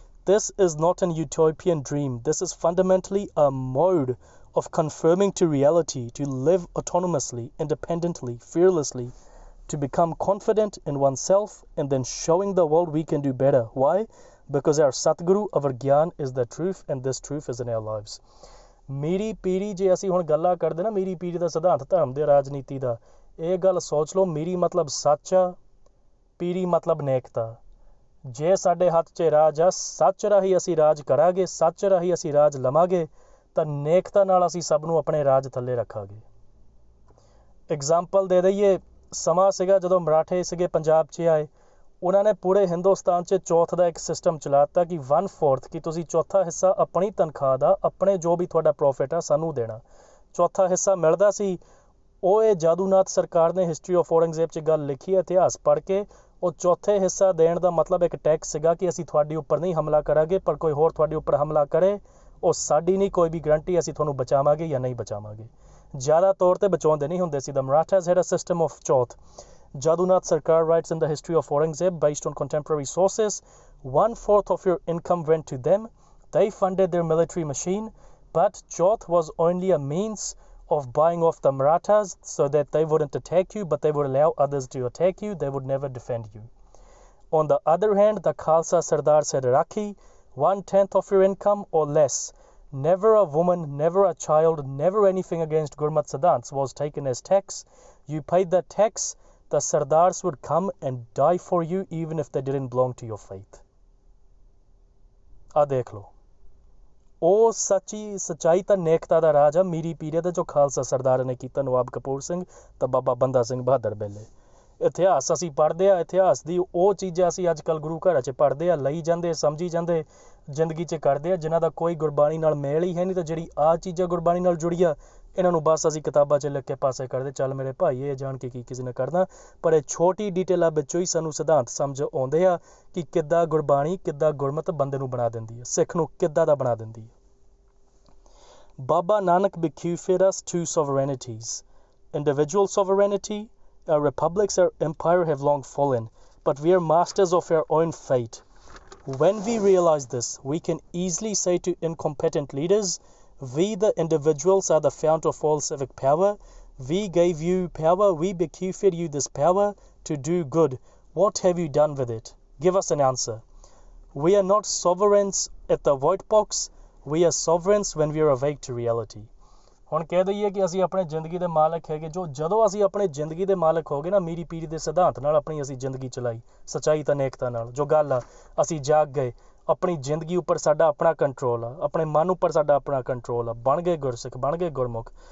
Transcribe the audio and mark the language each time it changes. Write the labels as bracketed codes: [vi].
[en] This is not an utopian dream. This is fundamentally a mode of confirming to reality, to live autonomously, independently, fearlessly, to become confident in oneself, and then showing the world we can do better. Why? Because our Satguru, our Gyan, is the truth, and this truth is in our lives. [pa] Miri Piri ਜੇ ਅਸੀਂ ਹੁਣ ਗੱਲਾਂ ਕਰਦੇ ਨਾ, ਮੀਰੀ ਪੀਰੀ ਦਾ ਸਿਧਾਂਤ ਧਰਮ ਦੇ ਰਾਜਨੀਤੀ ਦਾ, ਇਹ ਗੱਲ ਸੋਚ ਲਓ, ਮੀਰੀ ਮਤਲਬ ਸੱਚ ਆ, ਪੀਰੀ ਮਤਲਬ ਨੇਕਤਾ. ਜੇ ਸਾਡੇ ਹੱਥ 'ਚ ਰਾਜ ਆ, ਸੱਚ ਰਾਹੀਂ ਅਸੀਂ ਰਾਜ ਕਰਾਂਗੇ, ਸੱਚ ਰਾਹੀਂ ਅਸੀਂ ਰਾਜ ਲਵਾਂਗੇ, ਤਾਂ ਨੇਕਤਾ ਨਾਲ ਅਸੀਂ ਸਭ ਨੂੰ ਆਪਣੇ ਰਾਜ ਥੱਲੇ ਰੱਖਾਂਗੇ. ਐਗਜ਼ਾਮਪਲ ਦੇ ਦਈਏ, ਸਮਾਂ ਸੀਗਾ ਜਦੋਂ ਮਰਾਠੇ ਸੀਗੇ ਪੰਜਾਬ 'ਚ ਆਏ, ਉਹਨਾਂ ਨੇ ਪੂਰੇ ਹਿੰਦੁਸਤਾਨ 'ਚ ਚੌਥ ਦਾ ਇੱਕ ਸਿਸਟਮ ਚਲਾ ਦਿੱਤਾ ਕਿ 1/4, ਕਿ ਤੁਸੀਂ ਚੌਥਾ ਹਿੱਸਾ ਆਪਣੀ ਤਨਖਾਹ ਦਾ, ਆਪਣੇ ਜੋ ਵੀ ਤੁਹਾਡਾ ਪ੍ਰੋਫਿਟ ਆ ਸਾਨੂੰ ਦੇਣਾ. ਚੌਥਾ ਹਿੱਸਾ ਮਿਲਦਾ ਸੀ ਉਹ, ਇਹ ਜਾਦੂਨਾਥ ਸਰਕਾਰ ਨੇ ਹਿਸਟਰੀ ਆਫ ਔਰੰਗਜ਼ੇਬ 'ਚ ਗੱਲ ਲਿਖੀ, ਇਤਿਹਾਸ ਪੜ੍ਹ ਕੇ, ਉਹ ਚੌਥੇ ਹਿੱਸਾ ਦੇਣ ਦਾ ਮਤਲਬ ਇੱਕ ਟੈਕਸ ਸੀਗਾ ਕਿ ਅਸੀਂ ਤੁਹਾਡੇ ਉੱਪਰ ਨਹੀਂ ਹਮਲਾ ਕਰਾਂਗੇ, ਪਰ ਕੋਈ ਹੋਰ ਤੁਹਾਡੇ ਉੱਪਰ ਹਮਲਾ ਕਰੇ, ਉਹ ਸਾਡੀ ਨਹੀਂ ਕੋਈ ਵੀ ਗਰੰਟੀ ਅਸੀਂ ਤੁਹਾਨੂੰ ਬਚਾਵਾਂਗੇ ਜਾਂ ਨਹੀਂ ਬਚਾਵਾਂਗੇ. ਜ਼ਿਆਦਾ ਤੌਰ 'ਤੇ ਬਚਾਉਂਦੇ ਨਹੀਂ ਹੁੰਦੇ ਸੀ. [en] The Marathas had a system of chauth. Jadunath Sarkar writes in the history of Aurangzeb, based on contemporary sources, 1/4 of your income went to them. They funded their military machine, but Chauth was only a means of buying off the Marathas so that they wouldn't attack you, but they would allow others to attack you. They would never defend you. On the other hand, the Khalsa Sardar said, Rakhi, 1/10 of your income or less. Never a woman, never a child, never anything against Gurmat Siddhants was taken as tax. You paid the tax. The Sardars would come and die for you even if they didn't belong to your faith. [pa] ਆ ਦੇਖ ਲਓ, ਉਹ ਸੱਚੀ ਸੱਚਾਈ ਤਾਂ ਨੇਕਤਾ ਦਾ ਰਾਜ ਆ ਮੀਰੀ ਪੀਰੀ ਦਾ, ਜੋ ਖਾਲਸਾ ਸਰਦਾਰ ਨੇ ਕੀਤਾ ਨਵਾਬ ਕਪੂਰ ਸਿੰਘ ਤਾਂ ਬਾਬਾ ਬੰਦਾ ਸਿੰਘ ਬਹਾਦਰ ਵੇਲੇ. ਇਤਿਹਾਸ ਅਸੀਂ ਪੜ੍ਹਦੇ ਹਾਂ, ਇਤਿਹਾਸ ਦੀ ਉਹ ਚੀਜ਼ਾਂ ਅਸੀਂ ਅੱਜ ਕੱਲ੍ਹ ਗੁਰੂ ਘਰਾਂ 'ਚ ਪੜ੍ਹਦੇ ਹਾਂ, ਲਈ ਜਾਂਦੇ, ਸਮਝੀ ਜਾਂਦੇ, ਜ਼ਿੰਦਗੀ 'ਚ ਕਰਦੇ ਹਾਂ, ਜਿਨ੍ਹਾਂ ਦਾ ਕੋਈ ਗੁਰਬਾਣੀ ਨਾਲ ਮੇਲ ਹੀ ਹੈ ਨਹੀਂ, ਤਾਂ ਜਿਹੜੀ ਆਹ ਚੀਜ਼ਾਂ ਗੁਰਬਾਣੀ ਨਾਲ ਜੁੜੀਆਂ ਇਹਨਾਂ ਨੂੰ ਬਸ ਅਸੀਂ ਕਿਤਾਬਾਂ 'ਚ ਲਿਖ ਕੇ ਪਾਸੇ ਕਰਦੇ, ਚੱਲ ਮੇਰੇ ਭਾਈ ਇਹ ਜਾਣ ਕੇ ਕੀ ਕਿਸੇ ਨੇ ਕਰਨਾ. ਪਰ ਇਹ ਛੋਟੀ ਡਿਟੇਲਾਂ ਵਿੱਚੋਂ ਹੀ ਸਾਨੂੰ ਸਿਧਾਂਤ ਸਮਝ ਆਉਂਦੇ ਆ ਕਿ ਕਿੱਦਾਂ ਗੁਰਬਾਣੀ, ਕਿੱਦਾਂ ਗੁਰਮਤ ਬੰਦੇ ਨੂੰ ਬਣਾ ਦਿੰਦੀ ਹੈ, ਸਿੱਖ ਨੂੰ ਕਿੱਦਾਂ ਦਾ ਬਣਾ ਦਿੰਦੀ ਹੈ. [en] Baba Nanak bhikkhu fed us two sovereignties. Individual sovereignty, our republics, our empire have long fallen, but we are masters of our own fate. When we realize this, we can easily say to incompetent leaders, we the individuals are the fount of all civic power. We gave you power, we bequeathed you this power to do good. What have you done with it? Give us an answer. We are not sovereigns at the void box. We are sovereigns when we are awake to reality. [pa] ਹੁਣ ਕਹਿ ਦਈਏ ਕਿ ਅਸੀਂ ਆਪਣੇ ਜ਼ਿੰਦਗੀ ਦੇ ਮਾਲਕ ਹੈਗੇ ਜੋ ਜਦੋਂ ਅਸੀਂ ਆਪਣੇ ਜ਼ਿੰਦਗੀ ਦੇ ਮਾਲਕ ਹੋ ਗਏ ਨਾ ਮੀਰੀ ਪੀਰੀ ਦੇ ਸਿਧਾਂਤ ਨਾਲ ਆਪਣੀ ਅਸੀਂ ਜ਼ਿੰਦਗੀ ਚਲਾਈ ਸੱਚਾਈ ਤਾਂ ਅਨੇਕਤਾ ਨਾਲ ਜੋ ਗੱਲ ਆ ਅਸੀਂ ਜਾਗ ਗਏ ਆਪਣੀ ਜ਼ਿੰਦਗੀ ਉੱਪਰ ਸਾਡਾ ਆਪਣਾ ਕੰਟਰੋਲ ਆ ਆਪਣੇ ਮਨ ਉੱਪਰ ਸਾਡਾ ਆਪਣਾ ਕੰਟਰੋਲ ਆ ਬਣ ਗਏ ਗੁਰਸਿੱਖ ਬਣ ਗਏ ਗੁਰਮੁਖ